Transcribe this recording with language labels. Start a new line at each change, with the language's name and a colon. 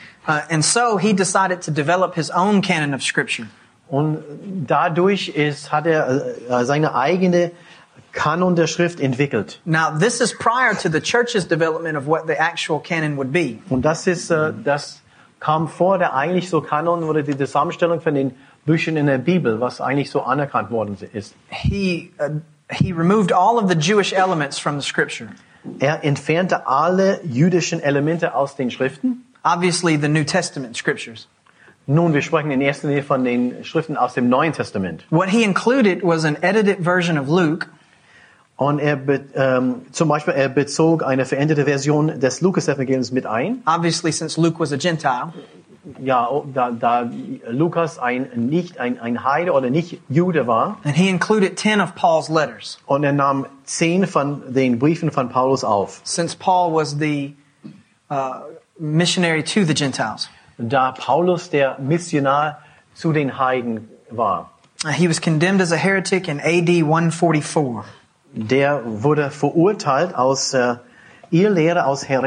English: And so he decided to develop his own canon of scripture.
German: Und dadurch hat seine eigene Kanon der Schrift entwickelt.
English: Now this is prior to the church's development of what the actual canon would be.
German: Und das ist das kam vor der eigentlich so Kanon oder die Zusammenstellung von den Büchern in der Bibel, was eigentlich so anerkannt worden ist.
English: He removed all of the Jewish elements from the scripture.
German: Entfernte alle jüdischen Elemente aus den Schriften.
English: Obviously the New Testament scriptures.
German: Nun, wir sprechen in erster Linie von den Schriften aus dem Neuen Testament.
English: What he included was an edited version of Luke.
German: Und zum Beispiel bezog eine veränderte Version des Lukas-Evangeliums mit ein.
English: Obviously since Luke was a Gentile.
German: Ja, da Lukas ein Heide oder nicht Jude war.
English: And he included 10 of Paul's letters.
German: Und nahm 10 von den Briefen von Paulus auf.
English: Since Paul was the missionary to the Gentiles.
German: Da Paulus der Missionar zu den Heiden war.
English: He was condemned as a heretic in AD 144.
German: Der wurde verurteilt aus Irrlehre, aus